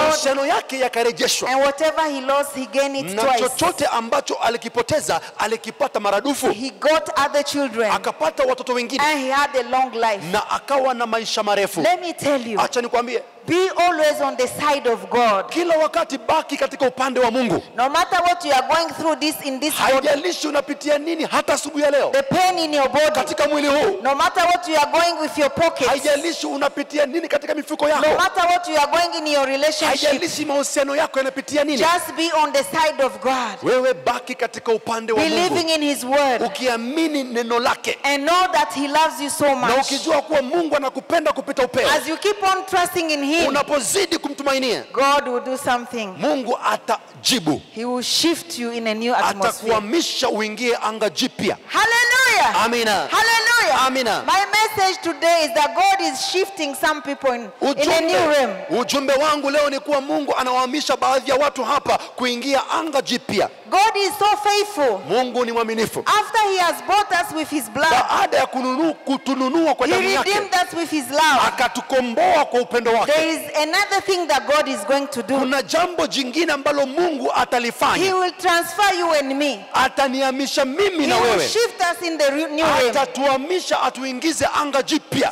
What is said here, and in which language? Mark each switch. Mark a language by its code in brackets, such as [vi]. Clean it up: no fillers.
[sw] Mahusiano yake yakarejeshwa. [en] And whatever he lost he gained it twice. [sw] Na chochote ambacho alikipoteza alikipata maradufu. [en] He got other children. [sw] Akapata watoto wengine. [en] And he had a long life. [sw] Na akawa na maisha marefu. [en] Let me tell you. [sw] Acha nikwambie. [en] Be always on the side of God. [sw] Kila wakati baki katika upande wa Mungu. [en] No matter what you are going through this in this [sw] world. Haijalishi unapitia nini hata asubuhi ya leo. [en] The pain in your body. [sw] Katika mwili huu. [en] No matter what you are going with your pockets. [sw] Haijalishi unapitia nini katika mifuko yako. [en] No matter what you are going in your relationship. [sw] Haijalishi mahusiano yako yanapitia nini. [en] Just be on the side of God. [sw] Wewe baki katika upande wa Mungu. [en] Believing in his word. [sw] Ukiamini neno lake. [en] And know that he loves you so much. [sw] Na ukijua kuwa Mungu anakupenda kupita upeo. [en] As you keep on trusting in him. [sw] Unapozidi kumtumainia. [en] God will do something. [sw] Mungu atajibu. [en] He will shift you in a new atmosphere. [sw] Atakuhamisha uingie anga jipya. [en] Hallelujah. [sw] Amina. [en] Hallelujah. [sw] Amina. [en] My message today is that God is shifting some people in a new realm. [sw] Ujumbe wangu leo ni kuwa Mungu anawahamisha baadhi ya watu hapa kuingia anga jipya. [en] God is so faithful. [sw] Mungu ni mwaminifu. [en] After he has bought us with his blood. [sw] Baada ya kutununua kwa damu yake. [en] He redeemed us with his love. [sw] Akatukomboa kwa upendo wake. [en] There is another thing that God is going to do. [sw] Kuna jambo jingine ambalo Mungu atalifanya. [en] He will transfer you and me. [sw] Atanihamisha mimi na wewe. [en] He will shift us in the new realm. [sw] Atatuhamisha atuingize anga jipya.